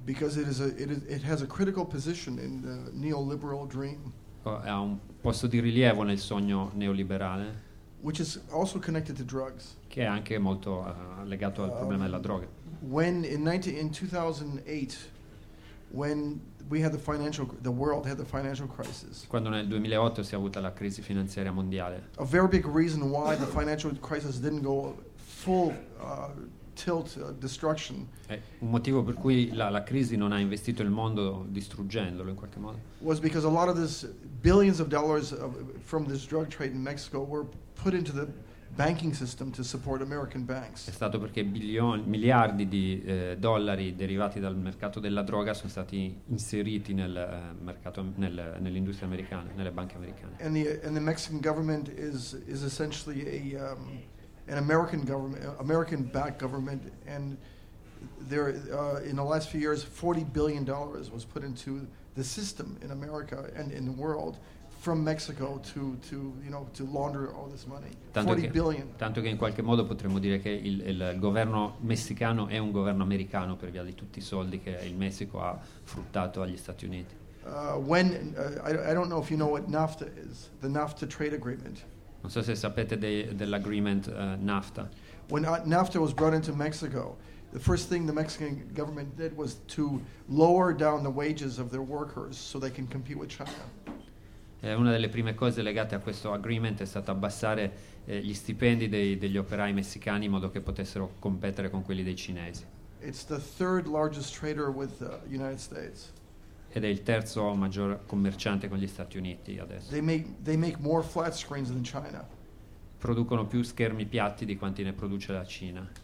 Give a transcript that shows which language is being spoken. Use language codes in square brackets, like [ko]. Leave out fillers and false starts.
[en] Because it has a critical position in the neoliberal dream. [it] Ha un posto di rilievo nel sogno neoliberale. [en] Which is also connected to drugs. [it] Che è anche molto legato al problema della droga. [en] In 2008, when we had the world had the financial crisis. [it] Quando nel 2008 si è avuta la crisi finanziaria mondiale. [en] A very big reason why the financial crisis didn't go full tilt destruction. [it] È un motivo per cui la crisi non ha investito il mondo distruggendolo in qualche modo. [en] Was because a lot of this billions of dollars from this drug trade in Mexico were put into the banking system to support American banks. [it] È stato perché miliardi di dollari derivati dal mercato della droga sono stati inseriti nel mercato nell'industria americana, nelle banche americane. [en] And the Mexican government is essentially an American government, American-backed government, and there in the last few years $40 billion was put into the system in America and in the world. From Mexico to launder all this money. [it] Tanto che in qualche modo potremmo dire che il governo messicano è un governo americano per via di tutti i soldi che il Messico ha fruttato agli Stati Uniti. [en] When I don't know if you know what NAFTA is, the NAFTA trade agreement. [it] Non so se sapete dell'agreement NAFTA. [en] When NAFTA was brought into Mexico, the first thing the Mexican government did was to lower down the wages of their workers so they can compete with China. [it] Una delle prime cose legate a questo agreement è stata abbassare gli stipendi degli operai messicani in modo che potessero competere con quelli dei cinesi. [en] It's the third largest trader with the United States. [it] Ed è il terzo maggior commerciante con gli Stati Uniti adesso. [en] They make more flat screens than China. [it] Producono più schermi piatti di quanti ne produce la Cina.